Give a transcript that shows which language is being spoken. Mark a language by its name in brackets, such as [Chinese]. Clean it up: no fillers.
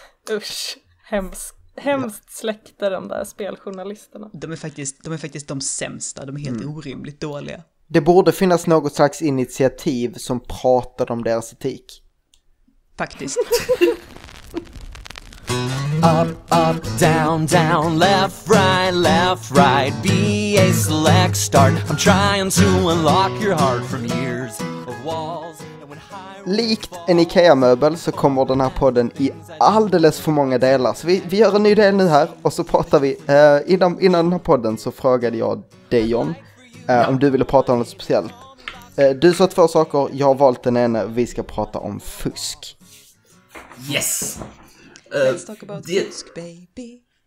[Swedish] Usch. Hemskt släkter de där speljournalisterna. De är faktiskt de sämsta, de är helt orimligt dåliga. Det borde finnas något slags initiativ som pratar om deras etik. Faktiskt. [English] Up, up, down, down, left, right, BA select start. I'm trying to unlock your heart from years of walls. And when [Swedish] likt en IKEA-möbel så kommer den här podden i alldeles för många delar. Så vi gör en ny del nu här och så pratar vi. Innan den här podden så frågade jag dig, John, om du ville prata om något speciellt. Du sa två saker, jag har valt den ena. Vi ska prata om fusk. [English] Yes! Let's talk about fusk, baby.